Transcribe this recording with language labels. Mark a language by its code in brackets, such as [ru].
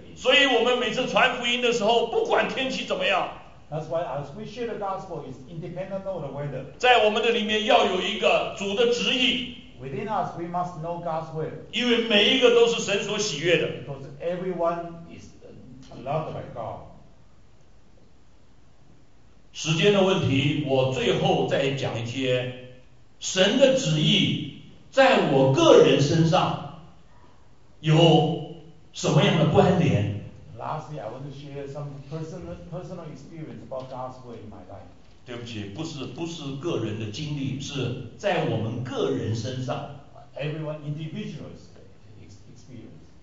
[zh] 天气怎么样，那都是次要的。所以我们每次传福音的时候，不管天气怎么样， [en] That's why as we share the gospel, it's independent of the weather. [zh] 在我们的里面要有一个主的旨意。 [en] Within us, we must know God's will. [zh] 因为每一个都是神所喜悦的。 [en] Because everyone is loved by God. [zh] 时间的问题，我最后再讲一些神的旨意。在我个人身上有什么样的关联？ [en] Lastly, I want to share some personal experience about God's will in my life. [zh] 对不起，不是个人的经历， 是在我们个人身上。 [en] Everyone individual's experience.